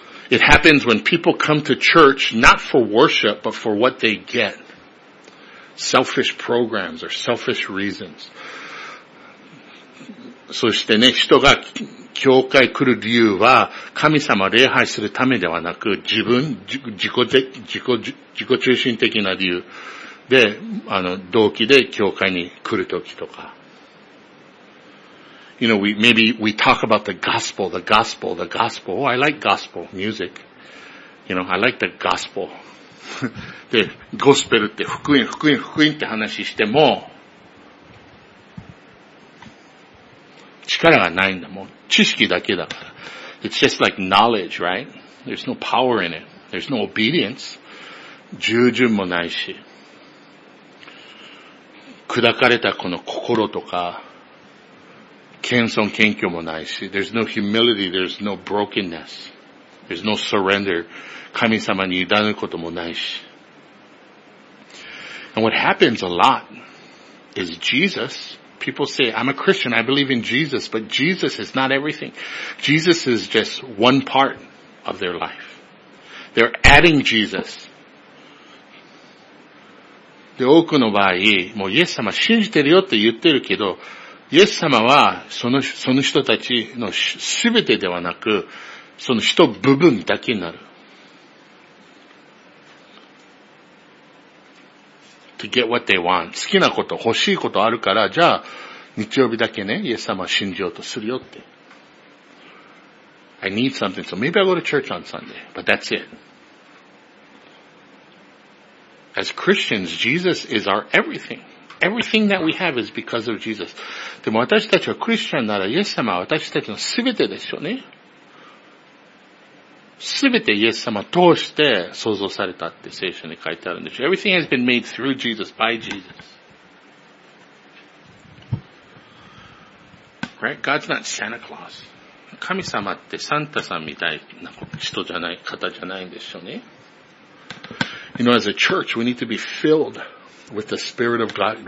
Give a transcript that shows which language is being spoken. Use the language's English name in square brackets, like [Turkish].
[English] It happens when people come to church not for worship, but for what they get. Selfish programs or selfish reasons. [Japanese] そしてね、人が教会来る理由は、神様を礼拝するためではなく、自己中心的な理由で、動機で教会に来るときとか。 [English] You know, maybe we talk about the gospel. Oh, I like gospel music. You know, I like the gospel. [Japanese] で、ゴスペルって福音って話しても、力がないんだ。もう知識だけだから。 [English] It's just like knowledge, right? There's no power in it. There's no obedience. [Japanese] 従順もないし。砕かれたこの心とか、謙遜謙虚もないし。 [English] There's no humility. There's no brokenness. There's no surrender. [Japanese] 神様に委ねることもないし。 [English] And what happens a lot is Jesus... People say, I'm a Christian, I believe in Jesus, but Jesus is not everything. Jesus is just one part of their life. They're adding Jesus. [Japanese] で、多くの場合、もうイエス様信じてるよって言ってるけど、イエス様はその人たちの全てではなく、その人部分だけになる。 [English] To get what they want. [Japanese] 好きなこと、欲しいことあるから、じゃあ、日曜日だけね、イエス様を信じようとするよって。 [English] I need something, so maybe I'll go to church on Sunday, but that's it. As Christians, Jesus is our everything. Everything that we have is because of Jesus. [Japanese] でも私たちはクリスチャンなら、イエス様は私たちの全てですよね。すべてイエス様を通して創造されたって聖書に書いてあるんでしょ。 [English] Everything has been made through Jesus, by Jesus. Right? God's not Santa Claus. [Japanese] 神様ってサンタさんみたいな人じゃない、方じゃないんでしょうね。 [English] You know, as a church, we need to be filled with the Spirit of God.